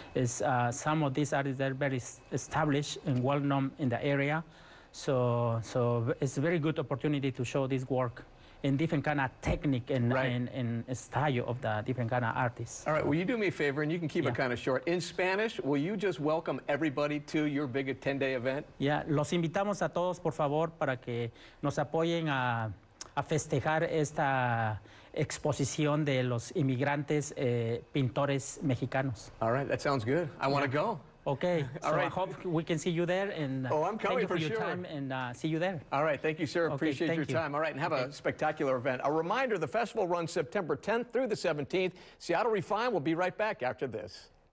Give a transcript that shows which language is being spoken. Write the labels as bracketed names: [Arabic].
[English] It's some of these artists that are very established and well-known in the area. So it's a very good opportunity to show this work in different kind of technique and and style of the different kind of artists. All right, will you do me a favor, and you can keep it kind of short. In Spanish, will you just welcome everybody to your big 10-day event? [Spanish] Yeah, los invitamos a todos, por favor, para que nos apoyen a festejar esta exposición de los inmigrantes pintores mexicanos. [English] All right, that sounds good. I want to go. Okay, I hope we can see you there. And I'm coming thank you for sure. Your time and see you there. All right, thank you, sir. Appreciate your time. All right, and have a spectacular event. A reminder, the festival runs September 10th through the 17th. Seattle Refined will be right back after this.